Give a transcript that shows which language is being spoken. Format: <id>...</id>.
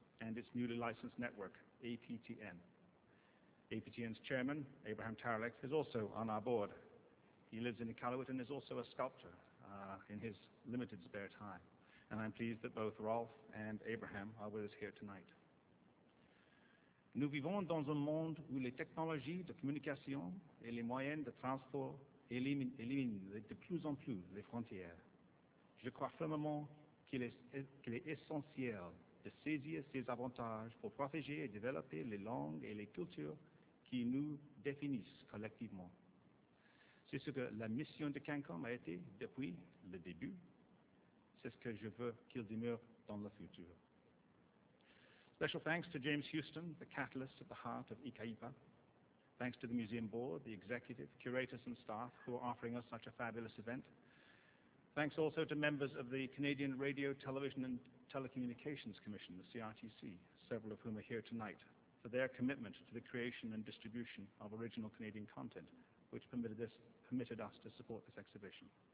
<en>and its newly licensed network, APTN. APTN's chairman, Abraham Tarlek, is also on our board. He lives in Iqaluit and is also a sculptor in his limited spare time. And I'm pleased that both Rolf and Abraham are with us here tonight.</en> <fr>Nous vivons dans un monde où les technologies de communication et les moyens de transport éliminent de plus en plus les frontières. Je crois fermement qu'il est essentiel de saisir ces avantages pour protéger et développer les langues et les cultures qui nous définissent collectivement. C'est ce que la mission de CANCOM a été depuis le début. C'est ce que je veux qu'il demeure dans le futur.</fr> <en>Special thanks to James Houston, the catalyst at the heart of IKAIPA. Thanks to the Museum Board, the executive, curators and staff who are offering us such a fabulous event. Thanks also to members of the Canadian Radio, Television and Telecommunications Commission, the CRTC, several of whom are here tonight, for their commitment to the creation and distribution of original Canadian content, which permitted us to support this exhibition.</en>